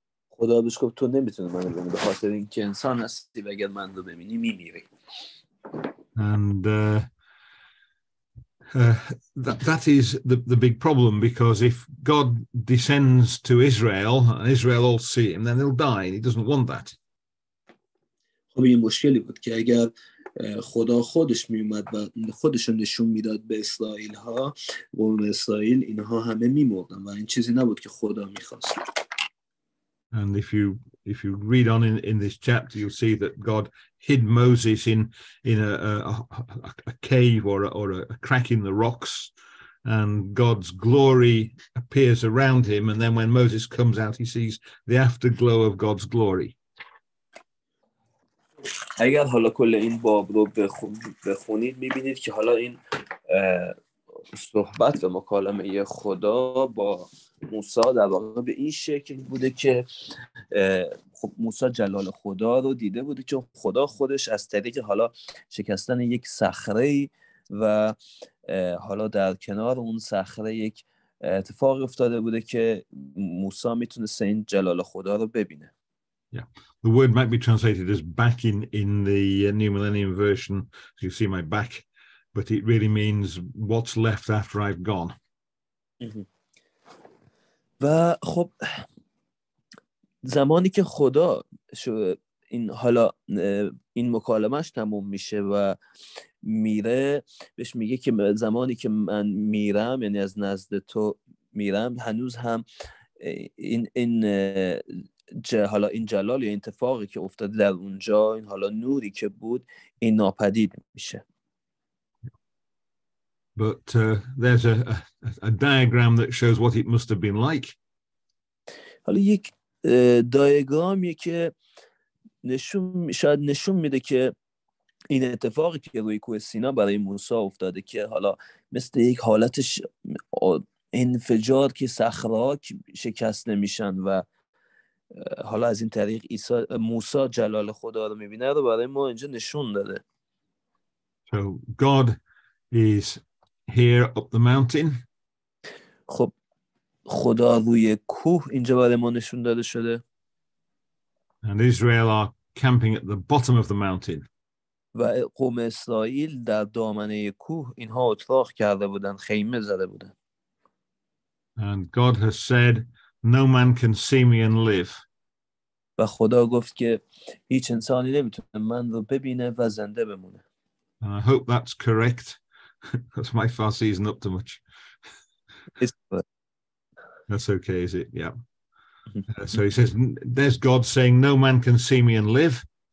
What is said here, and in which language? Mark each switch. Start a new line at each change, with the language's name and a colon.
Persian: خدا بهش گفت تو نمیتونی منو ببینی به خاطر اینکه انسان هستی و اگر من رو ببینی میمیری.
English: And that is the big problem, because if God descends to Israel and Israel all see him, then they'll die, and he doesn't want that.
Persian: خب این مشکلی بود که اگر خدا خودش میومد و خودش رو نشون میداد به اسرائیل ها، قوم اسرائیل، اینها همه میمردن و این چیزی نبود که خدا میخواست.
English: And if you read on in this chapter, you'll see that God hid Moses in a cave or a crack in the rocks, and God's glory appears around him, and then when Moses comes out he sees the afterglow of God's glory.
Persian: اگر حالا کل این باب رو بخونید میبینید که حالا این صحبت و مکالمه خدا با موسی در واقع به این شکل بوده که خب موسی جلال خدا رو دیده بوده، چون خدا خودش از طریق حالا شکستن یک صخره و حالا در کنار اون صخره یک اتفاق افتاده بوده که موسی میتونست این جلال خدا رو ببینه.
English: Yeah, the word might be translated as back in the New Millennium Version. So you see my back, but it really means what's left after I've gone.
Persian: و خب زمانی که خدا این حالا این مکالمهش تموم میشه و میره، بهش میگه که زمانی که من میرم، یعنی از نزد تو میرم، هنوز هم این حالا این جلال یا اتفاقی که افتاده در اونجا، این حالا نوری که بود، این ناپدید میشه.
English: But there's a diagram that shows what it must have been like.
Persian: حالا یک دایگرامی که شاید نشون میده که این اتفاقی که روی کوه سینا برای موسی افتاده، که حالا مثل یک حالت انفجار که صخره ها شکست نمیشن و حالا از این طریق موسی جلال خدا رو میبینه، رو برای ما اینجا نشون داده.
English: So God is here up the mountain.
Persian: خب خدا روی کوه اینجا برای ما نشون داده شده.
English: And Israel are camping at the bottom of the mountain.
Persian: و قوم اسرائیل در دامنه کوه اینها اتراق کرده بودن، خیمه زده بودن.
English: And God has said no man can see me and live.
Persian: و خدا گفت که هیچ انسانی نمیتونه من رو ببینه و زنده بمونه.
English: And I hope that's correct, because my Farsi isn't up to much. That's okay, is it? Yeah. So he says, there's God saying no man can see me and live.